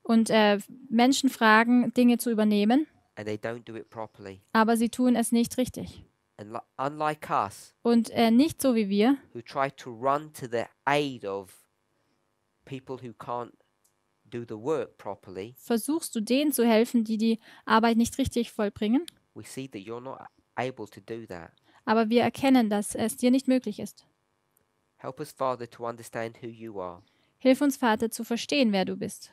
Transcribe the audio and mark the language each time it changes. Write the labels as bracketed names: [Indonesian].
[German] Und Menschen fragen, Dinge zu übernehmen. [English] And they don't do it properly. [German] Aber sie tun es nicht richtig. [English] And unlike us, [German] und nicht so wie wir, [English] who try to run to the aid of people who can't do the work properly, [German] versuchst du denen zu helfen, die die Arbeit nicht richtig vollbringen. [English] We see that you're not able to do that. [German] Aber wir erkennen, dass es dir nicht möglich ist. [English] Help us, Father, to understand who you are. [German] Hilf uns, Vater, zu verstehen, wer du bist.